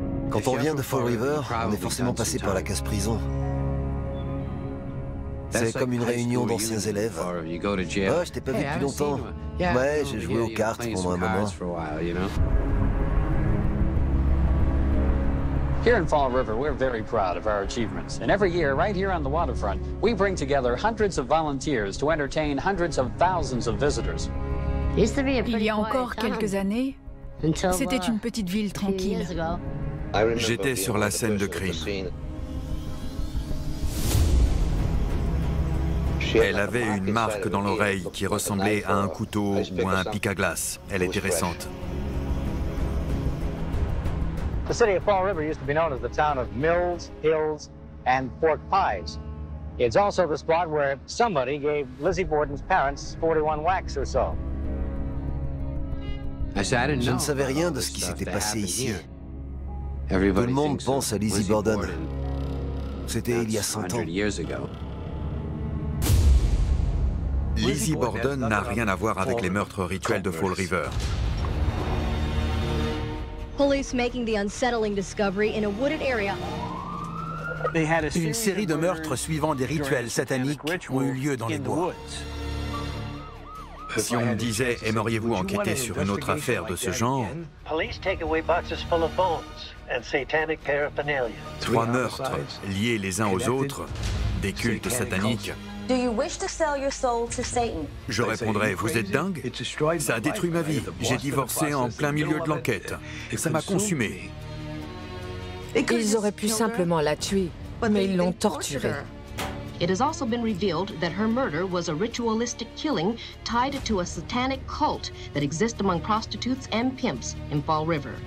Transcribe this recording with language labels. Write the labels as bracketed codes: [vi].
[fr] Quand on vient de Fall River, on est forcément passé par la case prison. C'est comme une réunion d'anciens élèves. Ah, je t'ai pas vu depuis longtemps. Ouais, j'ai joué aux cartes pendant un moment. [en] Here in Fall River, we're very proud of our achievements. And every year, right here on the waterfront, we bring together hundreds of volunteers to entertain hundreds of thousands of visitors. [fr] Il y a encore quelques années, c'était une petite ville tranquille. J'étais sur la scène de crime. Elle avait une marque dans l'oreille qui ressemblait à un couteau ou à un pic à glace. Elle était récente. [en] The city of Fall River used to be known as the town of mills, hills, and pork pies. It's also the spot where somebody gave Lizzie Borden's parents 41 whacks or so. [fr] Je ne savais rien de ce qui s'était passé ici. Tout le monde pense à Lizzie Borden. C'était il y a 100 ans. Lizzie Borden n'a rien à voir avec les meurtres rituels de Fall River. [en] Police making the unsettling discovery in a wooded area. [fr] Une série de meurtres suivant des rituels sataniques ont eu lieu dans les bois. Si on me disait, aimeriez-vous enquêter sur une autre affaire de ce genre? Trois meurtres liés les uns aux autres, des cultes sataniques. [en] Do you wish to sell your soul to Satan? [fr] Je répondrais, vous êtes dingue? Ça a détruit ma vie. J'ai divorcé en plein milieu de l'enquête. Et ça m'a consumé. Ils auraient pu simplement la tuer, mais ils l'ont torturée. [en] It has also been revealed that her murder was a ritualistic killing tied to a satanic cult that exists among prostitutes and pimps in Fall River.